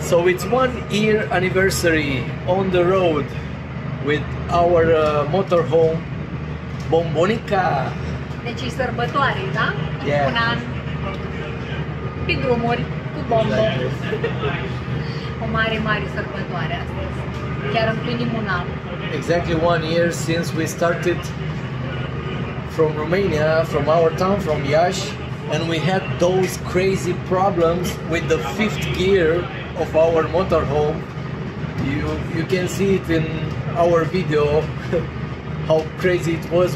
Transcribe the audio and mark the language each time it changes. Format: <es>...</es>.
<en>So it's 1 year anniversary on the road with our motorhome Bombonica.</en> <ro>Deci sărbătoare, da?</ro> <en>Yeah.</en> <ro>Un an pe drumuri cu bombă. O mare, mare sărbătoare astăzi. Chiar împlinim un an.</ro> <en>Exactly 1 year since we started from Romania, from our town, from Iași, and we had those crazy problems with the fifth gear of our motorhome. You can see it in our video, how crazy it was.</en>